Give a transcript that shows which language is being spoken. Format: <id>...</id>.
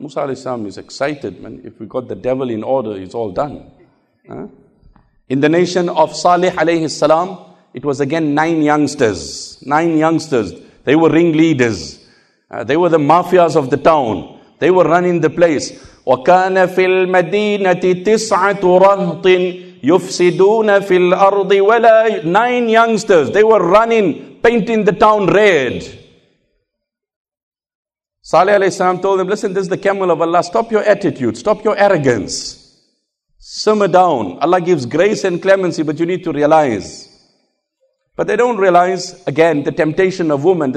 <en>Musa alayhi salam is excited, man. If we got the devil in order, it's all done. In the nation of Salih alayhi salam, it was again nine youngsters. They were ringleaders. They were the mafias of the town. They were running the place.</en> <ar>وَكَانَ فِي الْمَدِينَةِ تِسْعَةُ رَهْطٍ يُفْسِدُونَ فِي الْأَرْضِ وَلَا</ar> <en>9 youngsters. They were running, painting the town red. Salih alayhi salam told them, listen, this is the camel of Allah. Stop your attitude. Stop your arrogance. Simmer down. Allah gives grace and clemency, but you need to realize. But they don't realize, again, the temptation of women.</en>